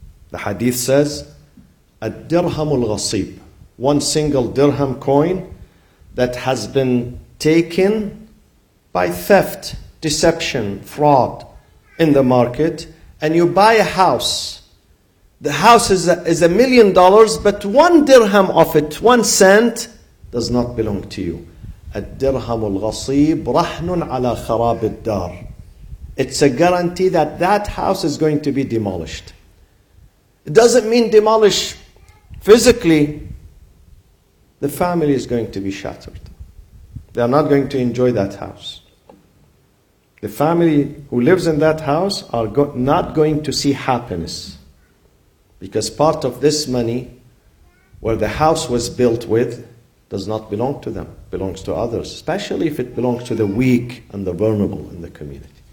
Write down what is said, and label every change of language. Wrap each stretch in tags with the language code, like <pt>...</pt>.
<en>The hadith says,</en> <ar>الدرهم الغصيب,</ar> <en>one single dirham coin that has been taken by theft, deception, fraud in the market, and you buy a house. The house is $1 million, but one dirham of it, 1 cent, does not belong to you.</en> <ar>الدرهم الغصيب رهن على خراب الدار.</ar> <en>It's a guarantee that that house is going to be demolished. It doesn't mean demolish physically. The family is going to be shattered. They are not going to enjoy that house. The family who lives in that house are not going to see happiness, because part of this money, where the house was built with, does not belong to them, belongs to others, especially if it belongs to the weak and the vulnerable in the community.</en>